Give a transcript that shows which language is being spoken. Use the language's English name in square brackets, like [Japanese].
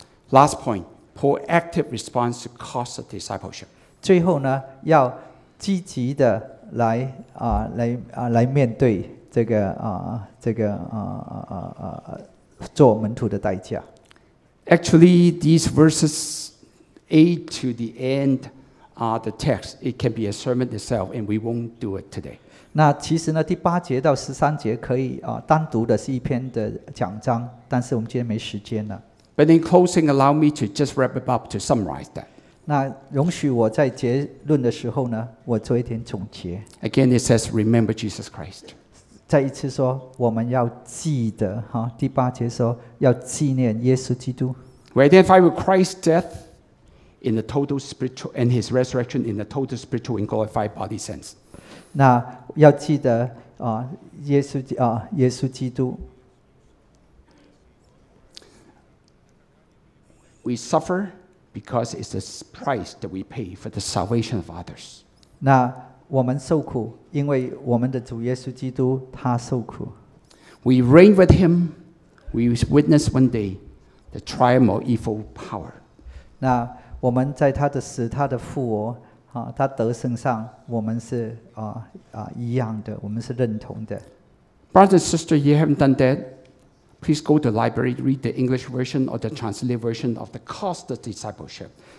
[English] Last point， proactive response to cause of discipleship。 [Chinese] 最后呢，要积极的来面对这个做门徒的代价。 [English] Actually， these verses A to the end。 The text, it can be a sermon itself, and we won't do it today. [Chinese] 那其实呢，第八节到十三节可以单独的是一篇的讲章，但是我们今天没时间了。 [English] But in closing, allow me to just wrap it up to summarize that. [Chinese] 那容许我在结论的时候呢，我做一点总结。 [English] Again, it says, remember Jesus Christ. [Chinese] 再一次说，我们要记得哈，第八节说要纪念耶稣基督。 [English] We identify with Christ's death. In the total spiritual and his resurrection in the total spiritual and glorified body sense. [Chinese] 那要记得耶稣基督。 [English] We suffer because it's the price that we pay for the salvation of others. [Chinese] 那我们受苦，因为我们的主耶稣基督他受苦。 [English] We reign with him. We witness one day the triumph of evil power. [Chinese] 那我们在他的死他的复活、啊、他得胜上我们是、啊啊、一样的我们是认同的。 [English] Brother, sister, you haven't done that. Please go to the library, read the English version or the translated version of the Cost of Discipleship.